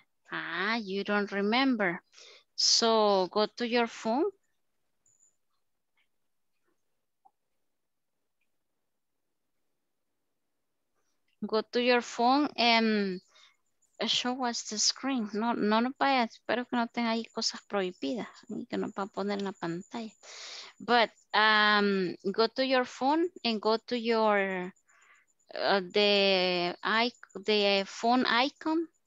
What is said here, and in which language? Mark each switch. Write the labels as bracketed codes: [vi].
[en] Ah, you don't remember. So go to your phone. Go to your phone and show us the screen. [es] No, no, vaya. Espero que no tenga ahí cosas prohibidas y que no va a poner en la pantalla. [en] But go to your phone and go to your the phone icon.